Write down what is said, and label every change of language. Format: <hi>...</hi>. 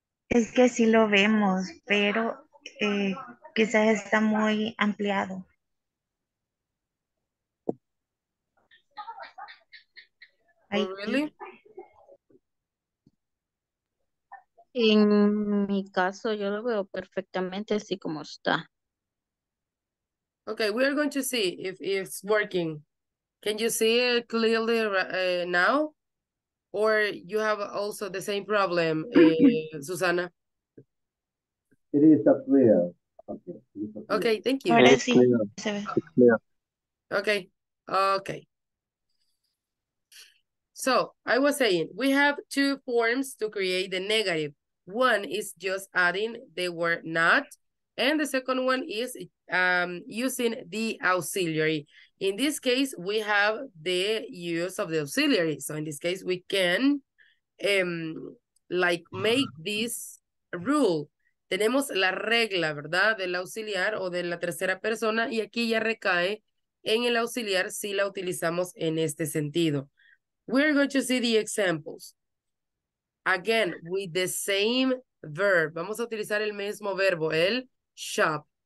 <es>Es que sí lo vemos, pero quizás está muy ampliado.</es> <en>Oh, really?</en> <es>En mi caso, yo lo veo perfectamente así como está.</es> <en>Okay, we are going to see if it's working. Can you see it clearly now? Or you have also the same problem, Susana? It is clear. Okay, clear. Okay, thank you.</en> <es>Ahora sí.</es> <en>Okay, okay. So, I was saying, we have two forms to create the negative. One is just adding the word not, and the second one is using the auxiliary. In this case, we have the use of the auxiliary. So in this case, we can like make this rule.</en> <es>Tenemos la regla, ¿verdad? Del auxiliar o de la tercera persona. Y aquí ya recae en el auxiliar si la utilizamos en este sentido.</es> <en>We're going to see the examples. Again, with the same verb.</en> <es>Vamos a utilizar el mismo verbo, el shop.</es>